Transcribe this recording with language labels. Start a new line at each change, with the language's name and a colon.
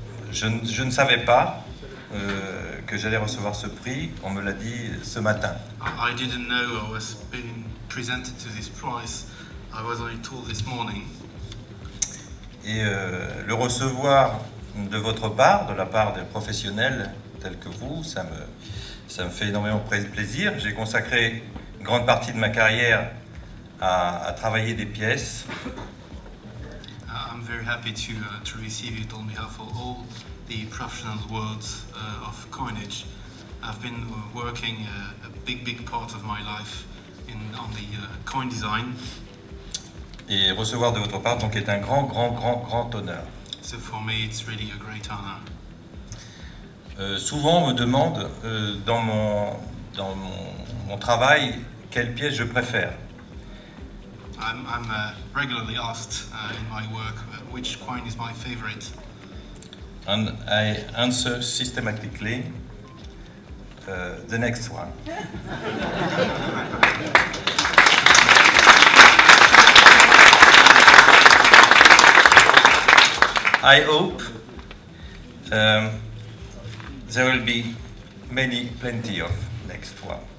French: Je ne savais pas que j'allais recevoir ce prix. On me l'a dit ce matin.
English: I didn't know I was being presented to this prize. I was only told this morning.
French: Et le recevoir de votre part, de la part des professionnels tels que vous, ça me fait énormément plaisir. J'ai consacré une grande partie de ma carrière à travailler des pièces.
English: I'm very happy to receive it on behalf of all the professional world of coinage. I've been working a big part of my life on the coin design.
French: Et recevoir de votre part donc est un grand honneur.
English: So for me, it's really a great honor.
French: Souvent, on me demande dans mon travail quelle pièce je préfère.
English: I'm regularly asked in my work which coin is my favorite. And I answer systematically the next one. I hope there will be plenty of next one.